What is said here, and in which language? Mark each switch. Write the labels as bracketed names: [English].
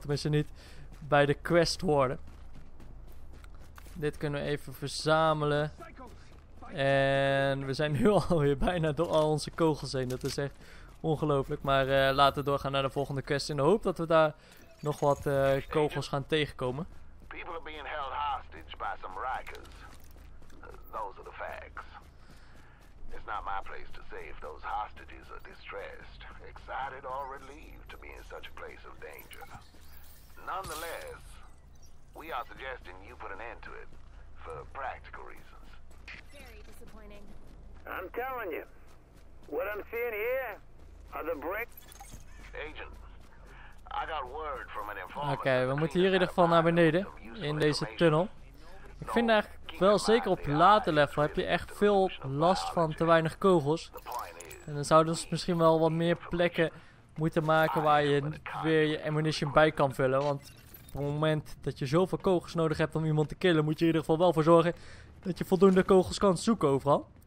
[Dutch] Tenminste niet bij de quest hoorde. Dit kunnen we even verzamelen. En we zijn nu alweer bijna door al onze kogels heen. Dat is echt ongelooflijk. Maar laten we doorgaan naar de volgende quest in de hoop dat we daar nog wat kogels gaan tegenkomen. [English] People are being held hostage by some Rikers. Those are the facts. It's is not my place to say if those hostages are distressed, excited, or relieved to be in such a place of danger. Nonetheless, we are suggesting you put an end to it for practical reasons. Very disappointing. I'm telling you, what I'm seeing here are the bricks. Agent. I got word from an informant. [Dutch] Oké, okay, we moeten hier in ieder geval naar beneden in deze tunnel. Ik vind eigenlijk wel, zeker op late level heb je echt veel last van te weinig kogels. En dan zouden ze misschien wel wat meer plekken moeten maken waar je weer je ammunition bij kan vullen. Want op het moment dat je zoveel kogels nodig hebt om iemand te killen, moet je in ieder geval wel voor zorgen dat je voldoende kogels kan zoeken overal.